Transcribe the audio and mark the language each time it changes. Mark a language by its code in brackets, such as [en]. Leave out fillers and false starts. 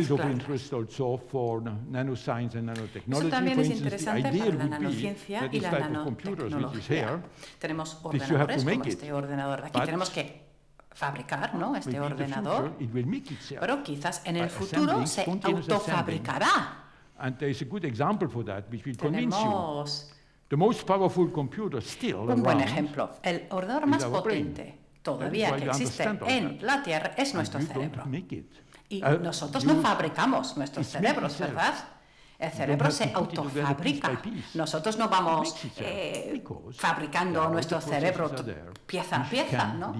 [es] Eso también es interesante para la nanociencia y la nanotecnología. Tenemos ordenadores como este ordenador de aquí. Tenemos que fabricar, ¿no?, este ordenador, pero quizás en el futuro se autofabricará. [en] And there is a good example for that, which will convince you. The most powerful computer still [es] un buen ejemplo. El ordenador más potente todavía que existe en la Tierra es nuestro cerebro. Y nosotros no fabricamos nuestros cerebros, ¿verdad? El cerebro se autofabrica. Nosotros no vamos fabricando nuestro cerebro pieza a pieza, ¿no?